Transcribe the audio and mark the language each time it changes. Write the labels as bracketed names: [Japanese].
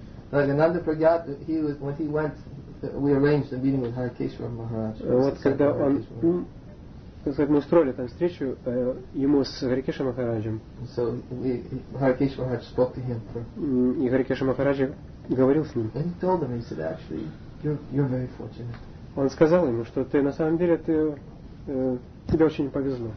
[English] Like Ananda Prajat, he was when he went, we arranged a meeting with Harikeshwar Maharaj. [Russian] Вот когда он, как сказать, мы устроили там встречу ему с Харикешем Махараджем. [English] So Harikeshwar Maharaj spoke to him. [Russian] И Харикеш Махарадж говорил с ним. [English] And he told him, he said, actually, you're very fortunate. [Russian] Он сказал ему, что ты на самом деле тебе очень повезло.